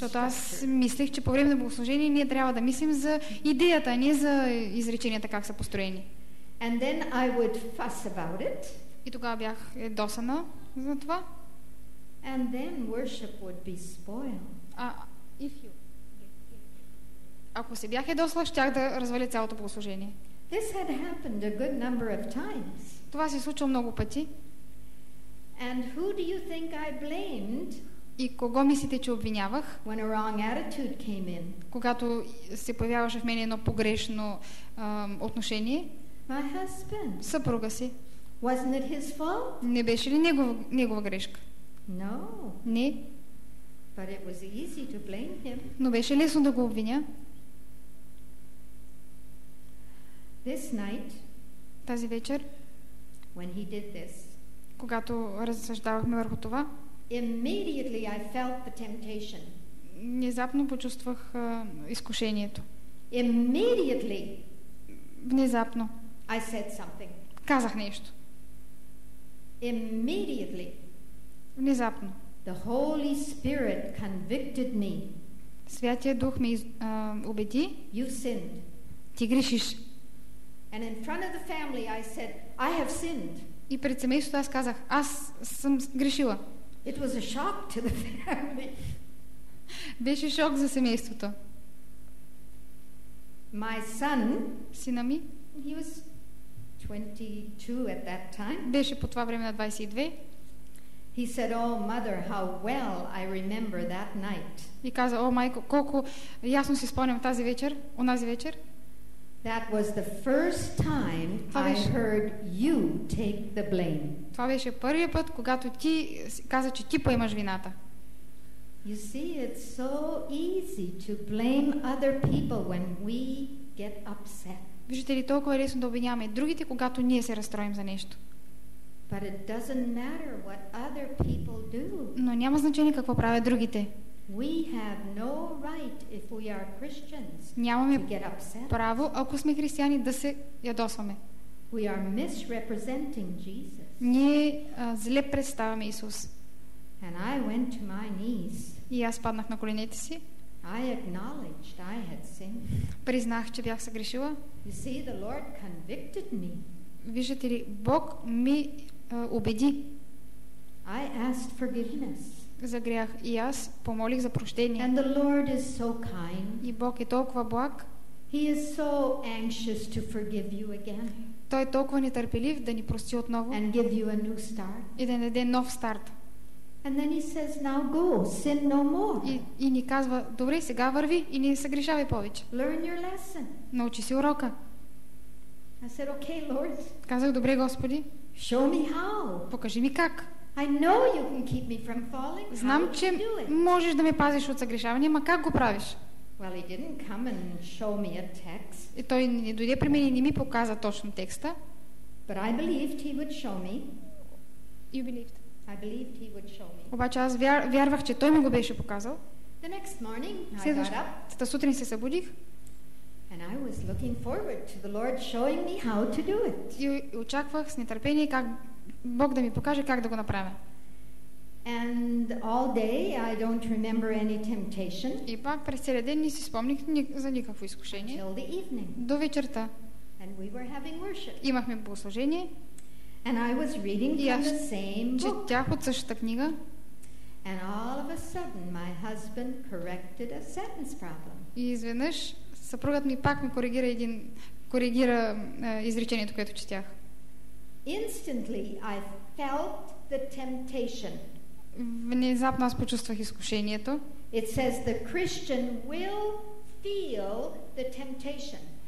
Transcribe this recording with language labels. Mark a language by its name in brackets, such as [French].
[Bulgarian] Защото аз мислих, че по време на богослужение ние трябва да мислим за идеята, а не за изреченията как са построени. [English] And then I would fuss about it. [Bulgarian] И тогава бях досана за това. [English] And then worship would be spoiled. [Bulgarian] Ако се бях едосла, щях да разваля цялото богослужение. [English] This had happened a good number of times. [Bulgarian] Това се случва много пъти. [English] And who do you think I blamed? [Bulgarian] И кого мислите, че обвинявах? [English] When a wrong attitude came in. [Bulgarian] Когато се появяваше в мен едно погрешно отношение? [English] My husband. [Bulgarian] Съпруга си. [English] Wasn't it his fault? [Bulgarian] Не беше ли негова грешка? [English] No. [Bulgarian] Не. [English] But it was easy to blame him. [Bulgarian] Но беше лесно да го обвиня. [English] This night, [Bulgarian] тази вечер, [English] when he did this, [Bulgarian] когато разсъждавахме върху това, [English] immediately I felt the temptation. [Bulgarian] Внезапно почувствах изкушението. [English] Immediately. [Bulgarian] Внезапно. [English] I said something. [Bulgarian] Казах нещо. [English] Immediately. [Bulgarian] Внезапно. [English] The Holy Spirit convicted me. [Bulgarian] Святия Дух ме убеди. [English] You sinned. [Bulgarian] Ти грешиш. [English] And in front of the family I said, I have sinned. [Bulgarian] И пред семейството аз казах, аз съм грешила. [English] It was a shock to the family. [Bulgarian] Беше шок за семейството. [English] My son, [Bulgarian] сина ми, [English] he was 22 at that time. [Bulgarian] Беше по това време на 22. [English] He said, "Oh, mother, how well I remember that night." [Bulgarian] И каза, о, майко, колко ясно си спомням тази вечер, онази вечер. [English] That was the first time I heard you take the blame. [Bulgarian] Това беше първият път, когато ти каза, че ти поемаш вината. [English] You see, it's so easy to blame other people when we get upset. [Bulgarian] Виждате ли, толкова е лесно да обвиняваме другите, когато ние се разстроим за нещо. [English] But it doesn't matter what other people do. [Bulgarian] Но няма значение какво правят другите. [English] We have no right if we are Christians. [Bulgarian] Нямаме право, ако сме християни, да се ядосваме. [English] We are misrepresenting Jesus. [Bulgarian] Ние зле представяме Исус. [English] And I went to my knees. [Bulgarian] И аз паднах на коленете си. [English] I acknowledged I had sinned. [Bulgarian] Признах, че бях съгрешила. [English] You see, the Lord convicted me. [Bulgarian] Виждате ли, Бог ми убеди. [English] I asked forgiveness. [Bulgarian] За грях. И аз помолих за прощение. [English] And the Lord is so kind. [Bulgarian] И Бог е толкова благ. [English] He is so anxious to forgive you again. [Bulgarian] Той е толкова нетърпелив да ни прости отново. [English] And give you a new start. [Bulgarian] И да ни даде нов старт. [English] And then he says, now go, sin no more. [Bulgarian] И ни казва, добре, сега върви и не съгрешавай повече. [English] Learn your lesson. [Bulgarian] Научи си урока. [English] I said, okay, Lord. [Bulgarian] Казах, добре, Господи. [English] Show me how. [Bulgarian] Покажи ми как. [English] I know you can keep me from falling. [Bulgarian] Знам, че можеш да ме пазиш от съгрешаване, ма как го правиш? [English] Well, he didn't come and show me a text. [Bulgarian] И той не дойде при мен и не ми показа точно текста. [English] But I believed he would show me. You believed. I believed he would show me. [Bulgarian] Обаче аз вярвах, че той ми го беше показал. [English] The next morning, [Bulgarian] следващата сутрин се събудих. [English] And I was looking forward to the Lord showing me how to do it. [Bulgarian] И очаквах с нетърпение как Бог да ми покаже как да го направя. [English] And all day I don't remember any temptation. [Bulgarian] И пак през целия ден не си спомних за никакво изкушение. [English] Until the evening. [Bulgarian] До вечерта. [English] And we were having worship. [Bulgarian] Имахме богослужение. [English] And I was reading from the same book. [Bulgarian] Четях от същата книга. [English] And all of a sudden my husband corrected a sentence problem. [Bulgarian] И изведнъж съпругът ми пак ми коригира изречението, което четях. [English] Instantly I felt the temptation. [Bulgarian] Внезапно аз почувствах изкушението. [English] It says the Christian will feel the temptation.